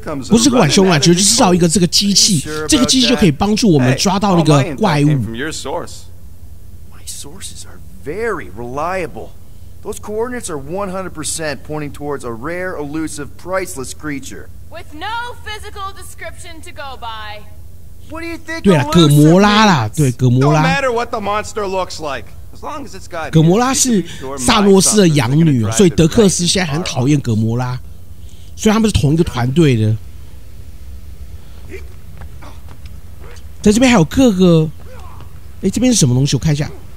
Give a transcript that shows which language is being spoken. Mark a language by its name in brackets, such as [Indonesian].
[Chinese] 不是个浣熊，浣熊就是造一个这个机器，这个机器就可以帮助我们抓到那个怪物。 [English] sources are very reliable. Those coordinates are 100% pointing towards a rare, elusive, priceless creature. With no physical description to go by. What do you think? [Chinese] 对啊，葛摩拉啦，对，葛摩拉。 [English] No matter what the monster looks like, as long as it's got. [Chinese] 葛摩拉是萨洛斯的养女，所以德克斯现在很讨厌葛摩拉，所以他们是同一个团队的。在这边还有各个，哎，这边是什么东西？我看一下。